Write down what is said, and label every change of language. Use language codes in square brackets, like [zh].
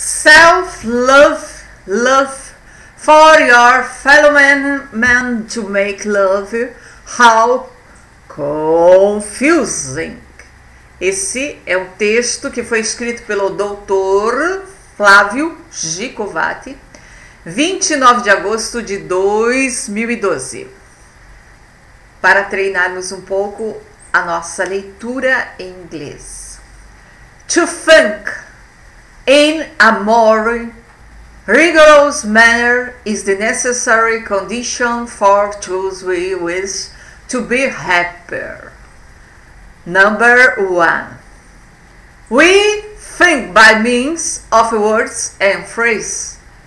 [en] self-love for your fellow man to make love. How confusing. [pt] Esse é um texto que foi escrito pelo doutor Flávio GIKOVATE, 29 de agosto de 2012. Para treinarmos um pouco a nossa leitura em inglês. [en] To think in a more rigorous manner is the necessary condition for those we wish to be happier. Number one. We think by means of words and phrases.